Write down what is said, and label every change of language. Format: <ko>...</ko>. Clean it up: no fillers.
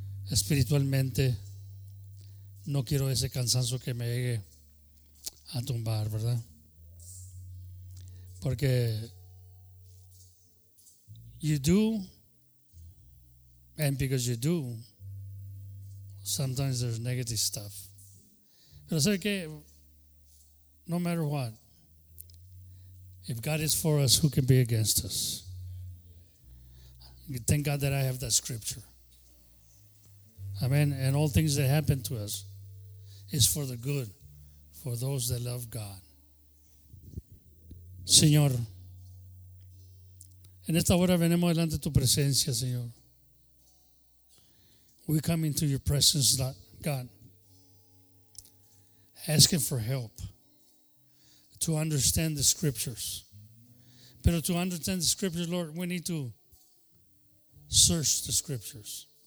<es>Espiritualmente, no quiero ese cansancio que me llegue a tumbar, ¿verdad?</es> <en>Porque you do, and because you do, sometimes there's negative stuff.</en> <es>Pero sé que,</es> <en>no matter what, if God is for us, who can be against us? Thank God that I have that scripture. Amen. And all things that happen to us is for the good, for those that love God.</en> <es>Señor, en esta hora venimos delante de tu presencia, Señor.</es> <en>We come into your presence, God, asking for help to understand the scriptures. Pero to understand the scriptures, Lord, we need to search the scriptures.</en>